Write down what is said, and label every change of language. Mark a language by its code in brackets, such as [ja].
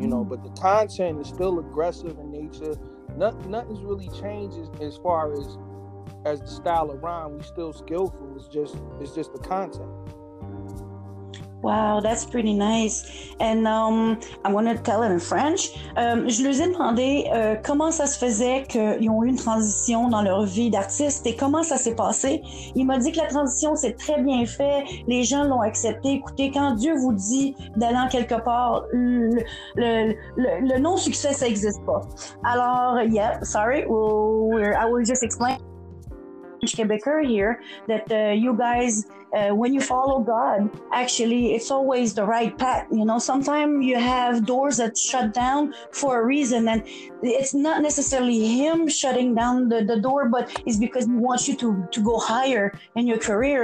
[en] You know, but the content is still aggressive in nature. Nothing's really changed as far as the style of rhyme. We still skillful. It's just the content. Wow, that's pretty nice. And I'm going to tell it in French. [fr] Je leur ai demandé comment ça se faisait qu'ils ont eu une transition dans leur vie d'artiste et comment ça s'est passé. Il m'a dit que la transition s'est très bien fait. Les gens l'ont accepté. Écoutez, quand Dieu vous dit d'aller en quelque part, le non-succès, ça n'existe pas. [en] Alors, yeah, sorry, I will just explain. Quebecer here, that you guys, when you follow God, actually, it's always the right path. You know, sometimes you have doors that shut down for a reason, and it's not necessarily Him shutting down the door, but it's because He wants you to go higher in your career.